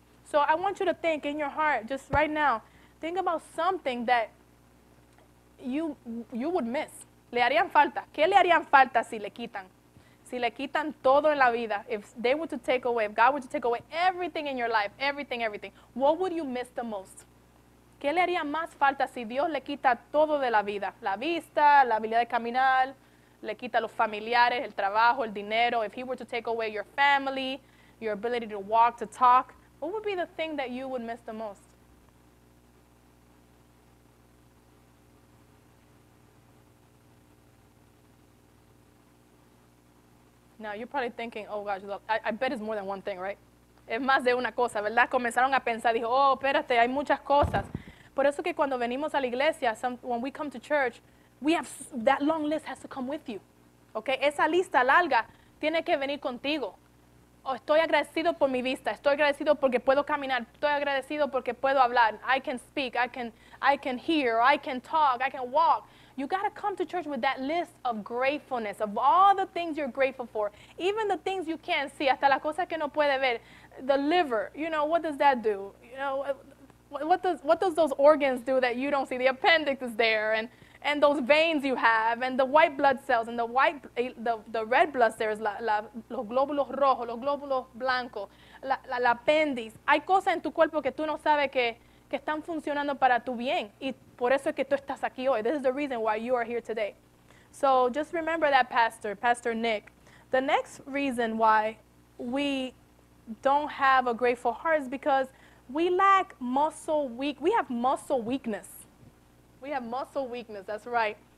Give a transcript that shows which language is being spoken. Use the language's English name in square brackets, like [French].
[English] So I want you to think in your heart, just right now, think about something that you would miss. [Spanish] ¿Le harían falta? ¿Qué le harían falta si le quitan? Si le quitan todo en la vida, [English] if God were to take away everything in your life, everything, what would you miss the most? [Spanish] ¿Qué le haría más falta si Dios le quita todo de la vida? La vista, la habilidad de caminar, le quita los familiares, el trabajo, el dinero. [English] If he were to take away your family, your ability to walk, to talk, what would be the thing that you would miss the most? Now, you're probably thinking, oh, gosh, I bet it's more than one thing, right? [Spanish] Es más de una cosa, ¿verdad? Comenzaron a pensar, dijo, oh, espérate, hay muchas cosas. Por eso que cuando venimos a la iglesia, [English] when we come to church, we have that long list has to come with you. [Spanish] Okay? Esa lista larga tiene que venir contigo. Oh, estoy agradecido por mi vista. Estoy agradecido porque puedo caminar. Estoy agradecido porque puedo hablar. [English] I can speak. I can hear. I can talk. I can walk. You got to come to church with that list of gratefulness, of all the things you're grateful for. Even the things you can't see. [Spanish] Hasta las cosas que no puede ver. [English] The liver. You know, what does that do? You know, What does those organs do that you don't see? The appendix is there, and those veins you have, and the white blood cells, and the red blood cells, [Spanish] los glóbulos rojos, los glóbulos blancos, la appendix. Hay cosas en tu cuerpo que tú no sabes que están funcionando para tu bien, y por eso es que tú estás aquí hoy. [English] This is the reason why you are here today. So just remember that, Pastor Nick. The next reason why we don't have a grateful heart is because we lack muscle weak. We have muscle weakness. We have muscle weakness. That's right.